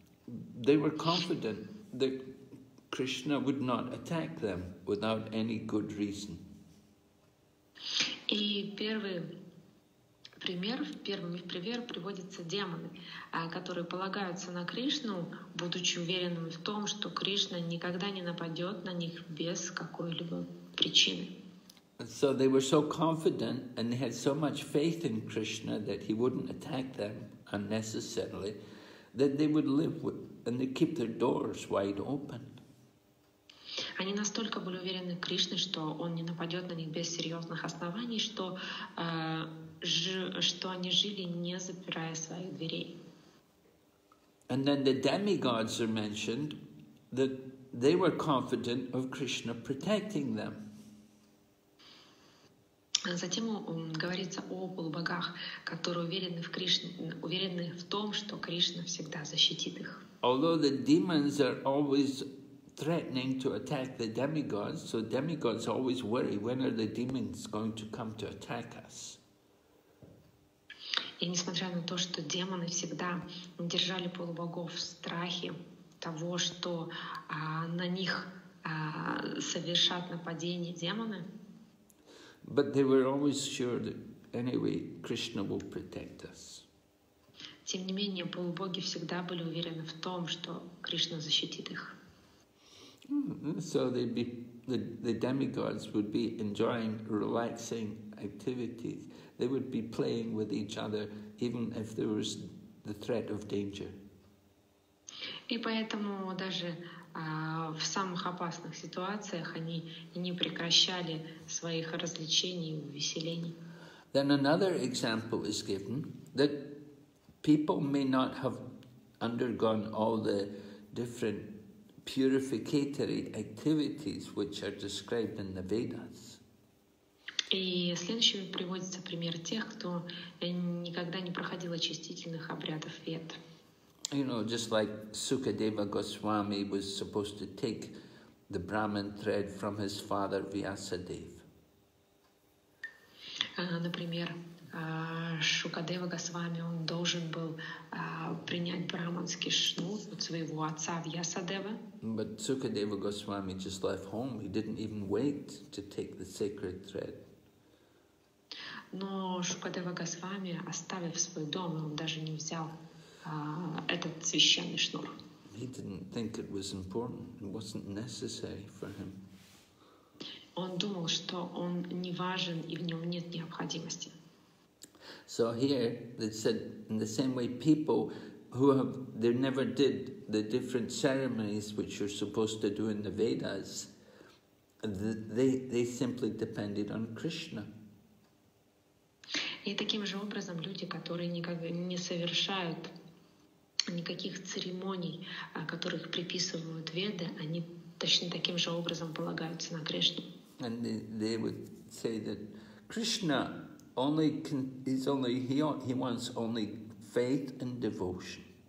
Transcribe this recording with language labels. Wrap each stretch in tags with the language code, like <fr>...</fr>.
<en>They were confident that Krishna would not attack them without any good reason.</en> <ru>И первыми в пример приводятся демоны, которые полагаются на Кришну, будучи уверенными в том, что Кришна никогда не нападет на них без какой-либо причины.</ru> <en>So they were so confident and they had so much faith in Krishna that he wouldn't attack them unnecessarily, that they would live with, and they keep their doors wide open.</en> <ru>Они настолько были уверены в Кришне, что он не нападет на них без серьезных оснований, что что они жили, не запирая своих дверей.</ru> <en>And then the demigods are mentioned, that they were confident of Krishna protecting them.</en> <ru>Затем говорится о полубогах, которые уверены в Кришне, уверены в том, что Кришна всегда защитит их.</ru> <en>Although the demons are always threatening to attack the demigods, so demigods always worry, when are the demons going to come to attack us?</en> <ru>И несмотря на то, что демоны всегда держали полубогов в страхе того, что на них совершат нападение демоны.</ru> <en>But they were always sure that anyway Krishna will protect us.</en> <ru>Тем не менее, полубоги всегда были уверены в том, что Кришна защитит их.</ru> <en>So they'd be, the demigods would be enjoying relaxing activities. They would be playing with each other, even if there was the threat of danger.</en> <ru>И поэтому даже в самых опасных ситуациях они не прекращали своих развлечений и увеселений.</ru> <en>Then another example is given that people may not have undergone all the different purificatory activities which are described in the Vedas.</en> <ru>И следующим приводится пример тех, кто никогда не проходил очистительных обрядов вед.</ru> <en>You know, just like Sukadeva Goswami was supposed to take the Brahmin thread from his father Vyasadev.</en> <ru>Например, Шукадева Госвами, он должен был принять брахманский шнур от своего отца Вьясадева.</ru> <en>But Sukadeva Goswami just left home. He didn't even wait to take the sacred thread.</en> <ru>Но Шукадева Госвами, оставив свой дом, он даже не взял этот священный шнур.</ru> <en>He didn't think it was important. It wasn't necessary for him.</en> <ru>Он думал, что он не важен и в нем нет необходимости.</ru> <en>So here they said in the same way people who have they never did the different ceremonies which you're supposed to do in the Vedas, they simply depended on Krishna.</en> <ru>И таким же образом люди, которые никогда не совершают никаких церемоний, которых приписывают Веды, они точно таким же образом полагаются на Кришну.</ru> <en>And they would say that Krishna he wants only faith and devotion.</en>